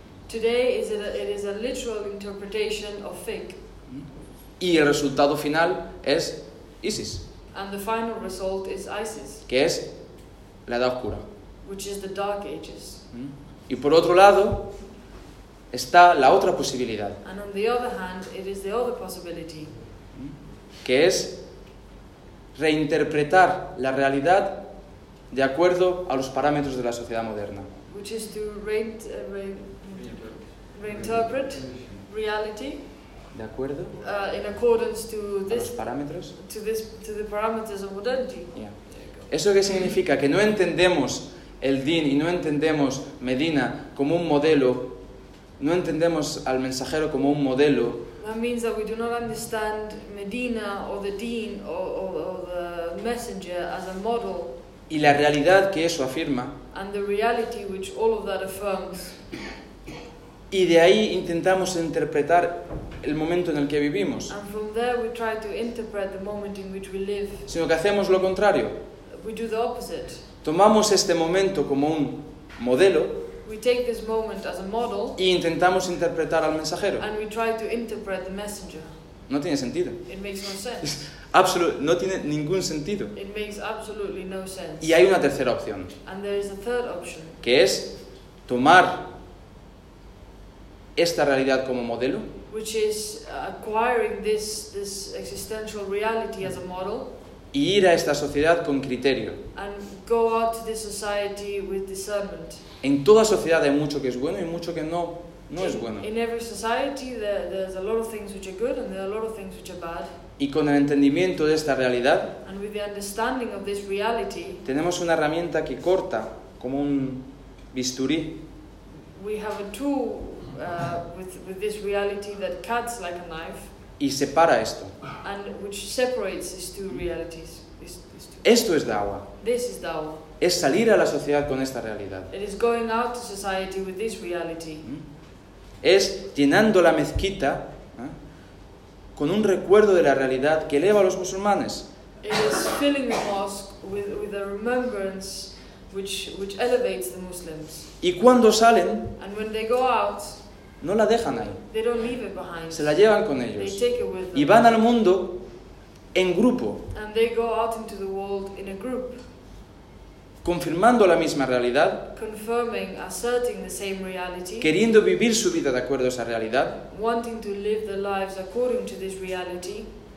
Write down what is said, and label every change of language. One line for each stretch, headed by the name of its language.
English: Today it is a literal interpretation of fiqh.
Spanish: Y el resultado final es ISIS.
English: And the final result is ISIS.
Spanish: Que es la Edad Oscura.
English: Which is the Dark Ages.
Spanish: Y por otro lado está la otra posibilidad.
English: And on the other hand, it is the other possibility.
Spanish: Que es reinterpretar la realidad de acuerdo a los parámetros de la sociedad moderna.
English: Which is to reinterpret reality.
Spanish: De acuerdo.
English: In accordance to this.
Spanish: A los parámetros.
English: To the parameters of modernity. Yeah.
Spanish: ¿Eso qué significa? Que no entendemos el din y no entendemos Medina como un modelo, no entendemos al mensajero como un modelo.
English: That means that we do not understand Medina or the din or the messenger as a model.
Spanish: Y la realidad que eso afirma.
English: And the reality which all of that affirms.
Spanish: Y de ahí intentamos interpretar el momento en el que vivimos.
English: And from there we try to interpret the moment in which we live.
Spanish: Sino que hacemos lo contrario.
English: We do the opposite.
Spanish: Tomamos este momento como un modelo.
English: We take this moment as a model.
Spanish: Y intentamos interpretar al mensajero.
English: And we try to interpret the messenger.
Spanish: No tiene sentido.
English: It makes no sense.
Spanish: No tiene ningún sentido.
English: It makes absolutely no sense.
Spanish: Y hay una tercera opción.
English: And there is a third option.
Spanish: Que es tomar esta realidad como modelo.
English: Which is acquiring this existential reality as a model.
Spanish: Y ir a esta sociedad con criterio.
English: And go out to this society with discernment.
Spanish: En toda sociedad hay mucho que es bueno y mucho que no es bueno.
English: In every society there's a lot of things which are good and there are a lot of things which are bad.
Spanish: Y con el entendimiento de esta realidad.
English: And with the understanding of this reality.
Spanish: Tenemos una herramienta que corta como un bisturí.
English: We have a tool with this reality that cuts like a knife.
Spanish: Y separa esto.
English: And which separates these two realities.
Spanish: Esto es da'wah.
English: This is da'wah.
Spanish: Es salir a la sociedad con esta realidad.
English: It is going out to society with this reality.
Spanish: Es llenando la mezquita con un recuerdo de la realidad que eleva a los musulmanes.
English: It is filling the mosque with a remembrance which elevates the Muslims.
Spanish: Y cuando salen.
English: And when they go out.
Spanish: No la dejan ahí.
English: They don't leave it behind.
Spanish: Se la llevan con ellos.
English: They take it with them.
Spanish: Y van al mundo en grupo.
English: And they go out into the world in a group.
Spanish: Confirmando la misma realidad.
English: Confirming, asserting the same reality.
Spanish: Queriendo vivir su vida de acuerdo a esa realidad.
English: Wanting to live their lives according to this reality.